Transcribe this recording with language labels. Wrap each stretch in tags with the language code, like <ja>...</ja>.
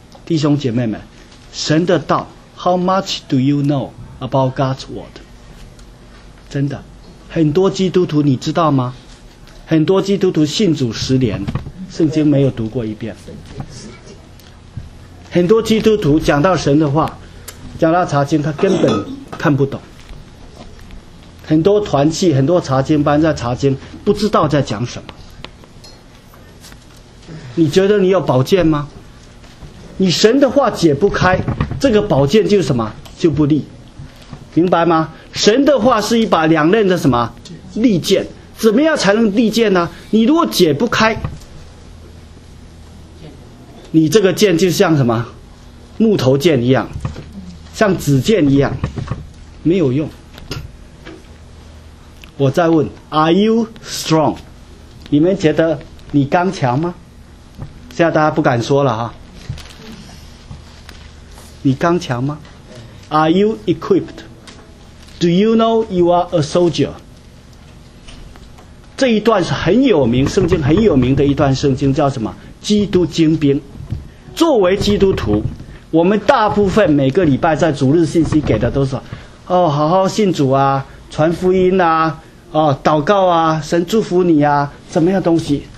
<zh>弟兄姐妹们，神的道</zh> <en>How much do you know about God's word？</en> <zh>真的很多基督徒你知道吗？很多基督徒信主10年，圣经没有读过一遍。很多基督徒讲到神的话，讲到查经，他根本看不懂。很多团契、很多查经班在查经，不知道在讲什么。你觉得你有宝剑吗？你神的话解不开，这个宝剑就什么就不利，明白吗？神的话是一把两刃的什么利剑。怎么样才能利剑呢？你如果解不开，你这个剑就像什么木头剑一样，像纸剑一样，没有用。我再问 ，</zh> <en>Are you strong？</en> <zh>你们觉得你刚强吗？现在大家不敢说了哈。你刚强吗</zh> <en>？Are you equipped？ Do you know you are a soldier？</en> <zh>这一段是很有名，圣经很有名的一段圣经，叫什么？基督精兵。作为基督徒，我们大部分每个礼拜在主日信息给的都是，哦，好好信主啊，传福音啊，哦，祷告啊，神祝福你啊，怎么样东西？</zh>